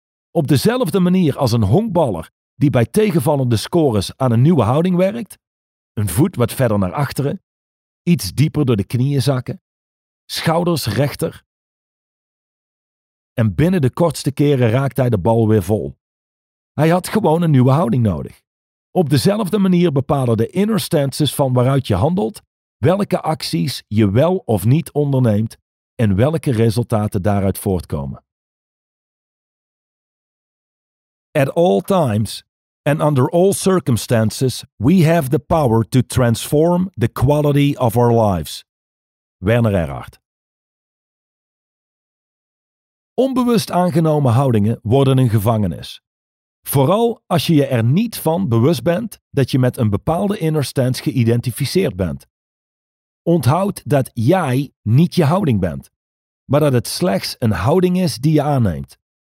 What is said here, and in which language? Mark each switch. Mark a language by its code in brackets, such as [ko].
[nl] Op dezelfde manier als een honkballer die bij tegenvallende scores aan een nieuwe houding werkt, een voet wat verder naar achteren, iets dieper door de knieën zakken, schouders rechter, en binnen de kortste keren raakt hij de bal weer vol. Hij had gewoon een nieuwe houding nodig. Op dezelfde manier bepalen de inner stances van waaruit je handelt welke acties je wel of niet onderneemt en welke resultaten daaruit voortkomen. [en] At all times and under all circumstances, we have the power to transform the quality of our lives. Werner Erhard. [nl] Onbewust aangenomen houdingen worden een gevangenis. Vooral als je je er niet van bewust bent dat je met een bepaalde inner stance geïdentificeerd bent. Onthoud dat jij niet je houding bent, maar dat het slechts een houding is die je aanneemt.